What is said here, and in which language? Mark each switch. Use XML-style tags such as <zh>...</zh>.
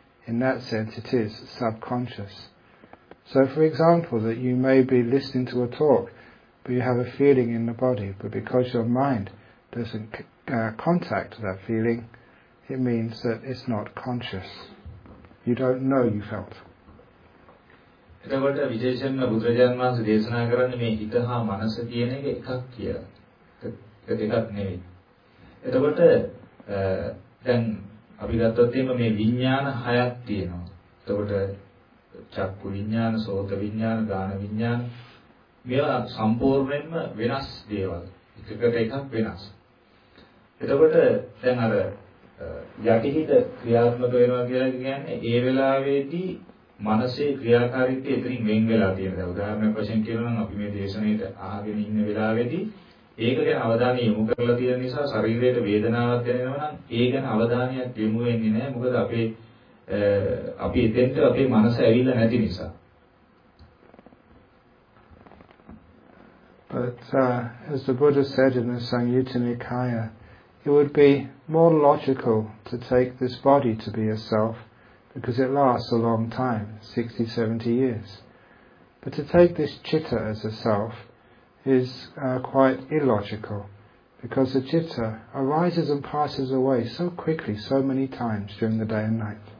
<en>In that sense, it is subconscious. So, for example, that you may be listening to a talk, but you have a feeling in the body, but because your mind doesn't contact that feeling, it means that it's not conscious. You don't know you felt.</en> <si>එතකොට විශේෂයෙන්ම බුදුරජාන් වහන්සේ දේශනා කරන්නේ මේ හිත හා මනස කියන එක එකක් කියලා. ඒක දෙකක් නෙවෙයි. එතකොට දැන් අපි ගත්තොත් එහෙම මේ විඥාන හයක් තියෙනවා. එතකොට චක්කු විඥාන, සෝත විඥාන, ගාන විඥාන මේවා සම්පූර්ණයෙන්ම වෙනස් දේවල්. එකකට එකක් වෙනස්. එතකොට දැන් අර යටිහිත ක්‍රියාත්මක වෙනවා කියලා කියන්නේ ඒ වෙලාවේදී මනසේ ක්‍රියාකාරීත්වය එතනින් වෙන් වෙලා තියෙනවා. උදාහරණයක් වශයෙන් කියනවා නම් අපි මේ දේශනෙට අහගෙන ඉන්න වෙලාවේදී ඒක ගැන අවධානය යොමු කරලා තියෙන නිසා ශරීරයට වේදනාවක් දැනෙනවා නම් ඒ ගැන අවධානයක් යොමු වෙන්නේ නැහැ. මොකද අපේ අපි එතෙන්ට අපේ මනස ඇවිල්ලා නැති නිසා.</si> <en>But as the Buddha said in the Sanyutta Nikaya, it would be more logical to take this body to be a self because it lasts a long time, 60, 70 years. But to take this citta as a self is quite illogical because the citta arises and passes away so quickly, so many times during the day and night.</en>